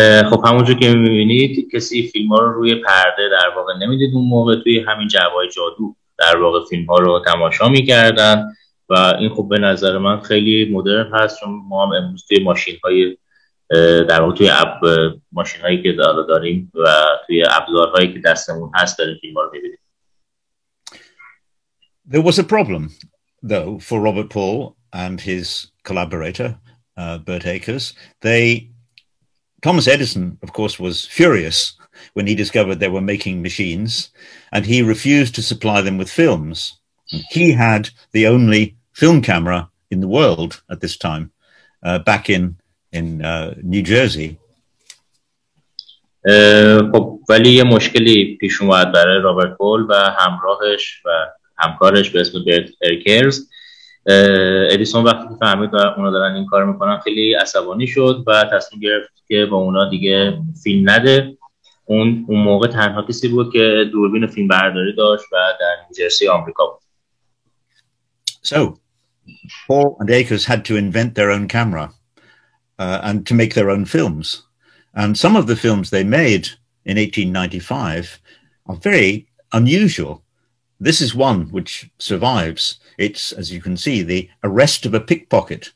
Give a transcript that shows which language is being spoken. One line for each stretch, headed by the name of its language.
Persian: خب همونجور که می‌بینید کسی فیلم‌ها رو روی پرده در واقع نمی‌دید اون موقع توی همین جعبه‌های جادو در واقع فیلم‌ها رو تماشا می‌کردن. و این خب به نظر من خیلی مدرن هست چون ما هم امروز توی ماشین های در واقع توی ماشین هایی که دارا داریم و توی ابزار هایی که دستمون هست داریم فیلم ها رو میبینیم.
English: There was a problem though for Robert Paul and his collaborator Bert Akers. Thomas Edison of course was furious when he discovered they were making machines and he refused to supply them with films. He had the only film camera in the world at this time, back in New Jersey.
Persian: خب ولی یه مشکلی پیش اومد برای رابرت پول و همراهش و همکارش به اسم برت ارکرز. ادیسون وقتی که فهمید و اونا دارن این کار میکنن خیلی عصبانی شد و تصمیم گرفت که با اونا دیگه فیلم نده. اون موقع تنها کسی بود که دوربین فیلم برداری داشت و در نیوجرسی آمریکا بود.
English: So, Paul and Akers had to invent their own camera and to make their own films. And some of the films they made in 1895 are very unusual. This is one which survives. It's, as you can see, the arrest of a pickpocket.